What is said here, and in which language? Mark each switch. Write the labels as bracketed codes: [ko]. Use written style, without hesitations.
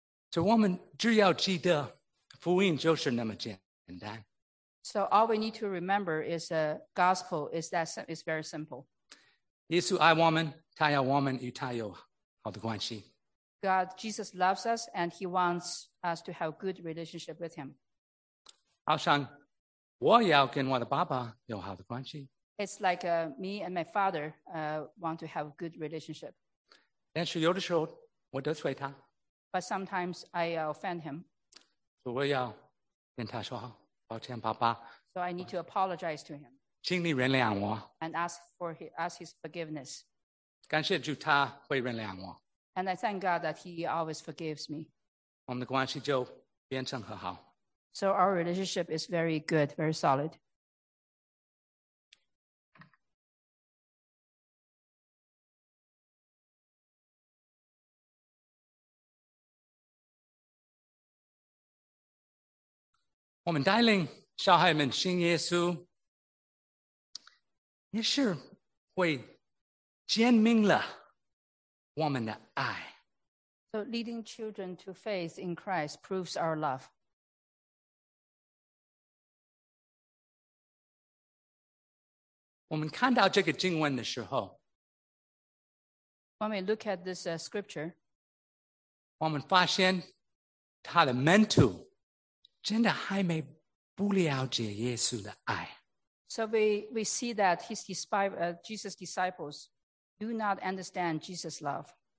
[zh] 所以我们只要记得福音就是那么简单。 [en] So all we need to remember is a gospel is that it's very simple. [zh] 耶稣爱我们，他要我们与他有好的关系。 [en] God, Jesus loves us and he wants us to have a good relationship with him. [zh] 好像我要跟我的爸爸有好的关系。 [en] It's like me and my father want to have a good relationship. [zh] 但是有的时候我得罪他。 [en] But sometimes I offend him. [zh] 所以我要跟他说抱歉爸爸。 [en] So I need to apologize to him. [zh] 请你原谅我。 [en] And ask his forgiveness. [zh] 感谢主他会原谅我。 [en] And I thank God that he always forgives me. [zh] 我们的关系就变成和好。 [en] So our relationship is very good, very solid. [zh] 我们带领小孩们信耶稣，也是会坚定了我们的爱。 [en] So leading children to faith in Christ proves our love. [zh] 我们看到这个经文的时候， [en] When we look at this scripture, [zh] 我们发现他的门徒真的还没不了解耶稣的爱。 [en] So we see that Jesus' disciples do not understand Jesus' love.